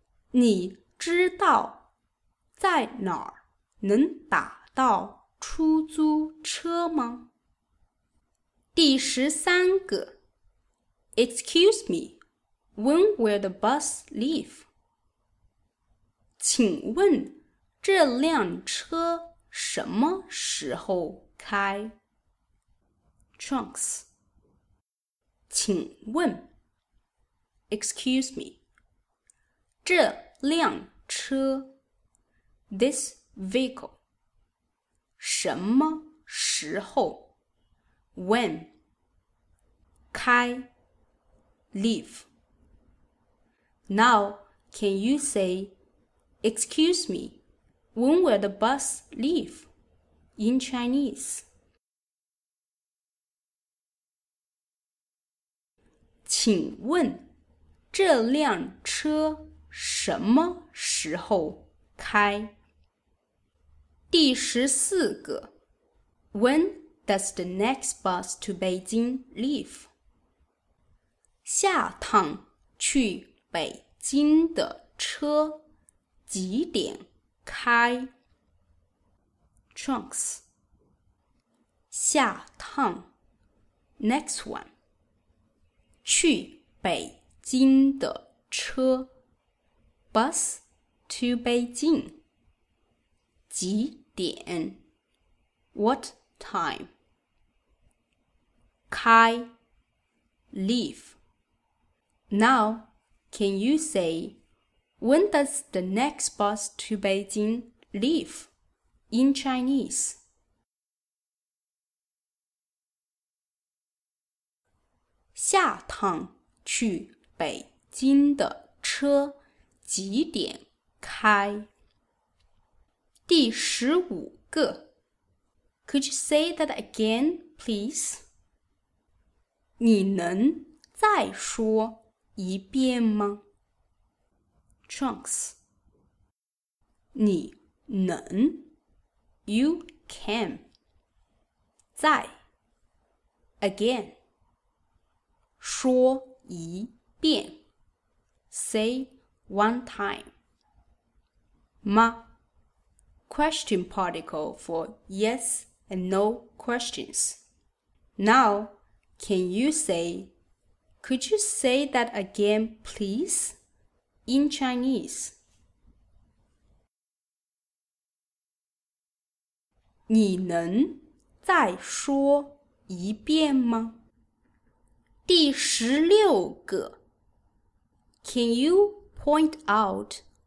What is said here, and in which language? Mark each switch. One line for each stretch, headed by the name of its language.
Chinese: 你知道在哪儿能打到出租车吗？第十三个
English: Excuse me, when will the bus leave?
Chinese: 请问这辆车什么时候开？
English: Trunks
Chinese: 请问
English: Excuse me
Chinese: 这辆车
English: This vehicle
Chinese: 什么时候
English: When
Chinese: 开
English: Leave Now can you say Excuse meWhen will the bus leave? In Chinese.
Chinese: 请问这辆车什么时候开？第十四个
English: When does the next bus to Beijing leave?
Chinese: 下趟去北京的车几点？开
English: Trunks
Chinese: 下趟
English: Next one
Chinese: 去北京的车
English: Bus to Beijing
Chinese: 几点
English: What time
Chinese: 开
English: Leave Now can you say When does the next bus to Beijing leave in Chinese?
Chinese: 下趟去北京的车几点开？第十五个
English: Could you say that again, please?
Chinese: 你能再说一遍吗？
English: Trunks
Chinese: 你能
English: You can
Chinese: 再
English: Again
Chinese: 说一遍
English: Say one time
Chinese: 吗？
English: Question particle for yes and no questions. Now, can you say Could you say that again, please? In Chinese,
Chinese: 你能再说一遍吗？第十六个
English: Can you point out